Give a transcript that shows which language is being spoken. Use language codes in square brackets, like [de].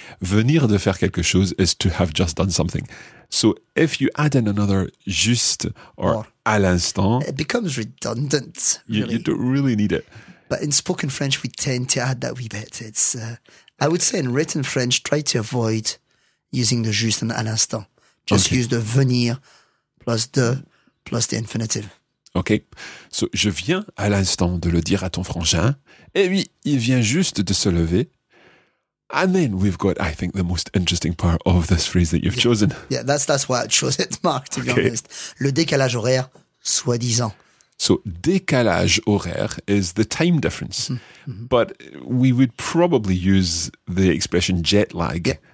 [fr] Venir de faire quelque chose [en] is to have just done something. So if you add in another juste or à l'instant, it becomes redundant. Really. You don't really need it. But in spoken French, we tend to add that wee bit. It's I would say in written French, try to avoid using the juste and à l'instant. Just use the venir plus de plus the infinitive. Ok. [fr] So, je viens à l'instant de le dire à ton frangin. Eh oui, il vient juste de se lever. [en] And then we've got, I think, the most interesting part of this phrase that you've chosen. Yeah, that's why I chose it, Mark, to be honest. [fr] Le décalage horaire, soi-disant. [en] So, décalage horaire is the time difference. Mm-hmm. But we would probably use the expression jet lag.